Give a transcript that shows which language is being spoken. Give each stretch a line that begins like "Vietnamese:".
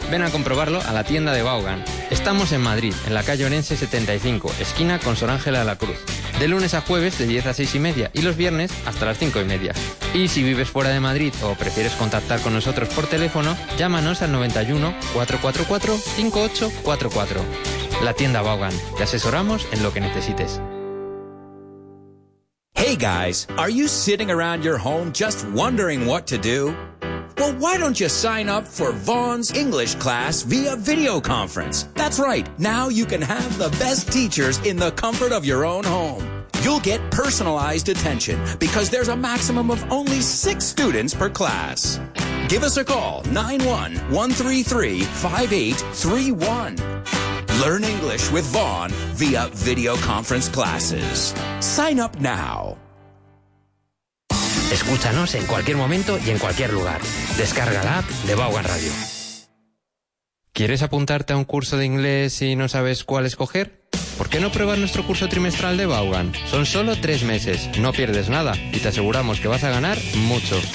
Spanish: Ven a comprobarlo a la tienda de Vaughan. Estamos en Madrid, en la calle Orense 75, esquina con Sor Ángela de la Cruz. De lunes a jueves de 10 a 6 y media y los viernes hasta las 5 y media. Y si vives fuera de Madrid o prefieres contactar con nosotros por teléfono, llámanos al 91-444-5844. La tienda Vaughan. Te asesoramos en lo que necesites.
English: Hey guys, are you sitting around your home just wondering what to do? Well, why don't you sign up for Vaughn's English class via video conference? That's right. Now you can have the best teachers in the comfort of your own home. You'll get personalized attention because there's a maximum of only 6 students per class. Give us a call, 91-133-5831. Learn English with Vaughn via video conference classes. Sign up now.
Spanish: Escúchanos en cualquier momento y en cualquier lugar. Descarga la app de Vaughan Radio. ¿Quieres apuntarte a un curso de inglés y no sabes cuál escoger? ¿Por qué no probar nuestro curso trimestral de Vaughan? Son solo 3 meses, no pierdes nada y te aseguramos que vas a ganar mucho.